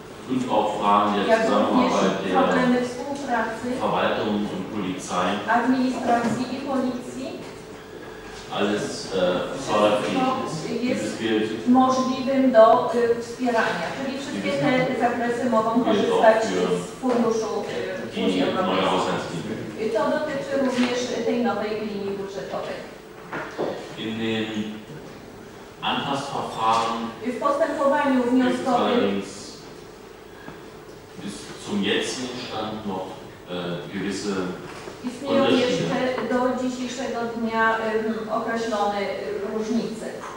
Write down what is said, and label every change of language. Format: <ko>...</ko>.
<de>und auch Fragen der Zusammenarbeit der</de> <pl>problemy współpracy,</pl> <de>Verwaltung und Polizei,</de> <pl>administracji i policji.</pl> <de>Alles förderfähig ist.</de> <pl>Jest możliwym do wspierania. Czyli wszystkie te zakresy mogą korzystać z funduszu Unii Europejskiej. To dotyczy również tej nowej linii budżetowej.</pl> <de>In den Antragsverfahren</de> <pl>w postępowaniu wnioskowym</pl> <de>bis zum jetzigen Stand noch gewisse</de> <pl>istnieją jeszcze do dzisiejszego dnia określone różnice.</pl>